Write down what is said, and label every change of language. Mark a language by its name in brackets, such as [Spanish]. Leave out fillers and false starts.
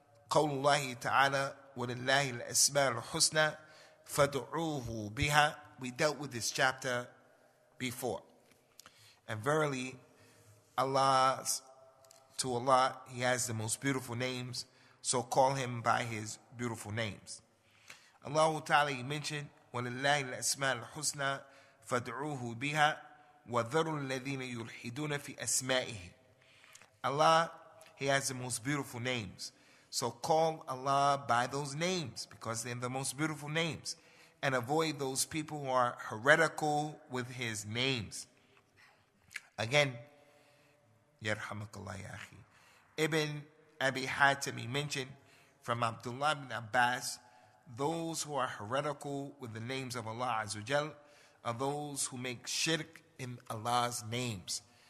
[Arabic] Qawlullahi ta'ala, walillahi al-asma'ul husna, fadu'uhu biha. [English] We dealt with this chapter before. And verily, to Allah, He has the most beautiful names, so call him by his beautiful names. Allah Ta'ala, he mentioned, [Arabic] وَلِلَّهِ الْأَسْمَاءِ الْحُسْنَى فَادْعُوهُ بِهَا وَذَرُوا الَّذِينَ يُلْحِدُونَ فِي أَسْمَائِهِ. [English] Allah, he has the most beautiful names. So call Allah by those names, because they're the most beautiful names. And avoid those people who are heretical with his names. Again, Yarhamakallah ya akhi. Ibn Abi Hatim, he mentioned from Abdullah ibn Abbas, those who are heretical with the names of Allah Azza wa Jal are those who make shirk in Allah's names.